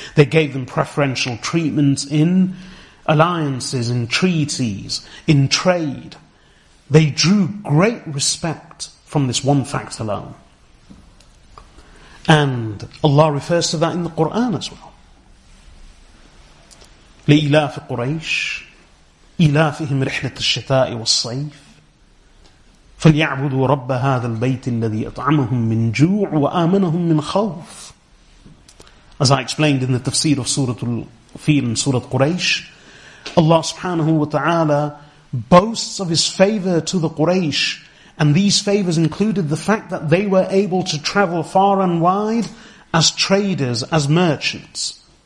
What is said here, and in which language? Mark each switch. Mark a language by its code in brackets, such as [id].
[en] They gave them preferential treatment in alliances, in treaties, in trade. They drew great respect from this one fact alone. And Allah refers to that in the Quran as well. [ar] لإلاف قريش إلافهم رحلة الشتاء والصيف فليعبدوا رب هذا البيت الذي أطعمهم من جوع وآمنهم من خوف. [en] As I explained in the tafsir of Surah Al-Fil and Surah Quraysh, Allah subhanahu wa ta'ala boasts of his favor to the Quraysh, and these favors included the fact that they were able to travel far and wide as traders, as merchants.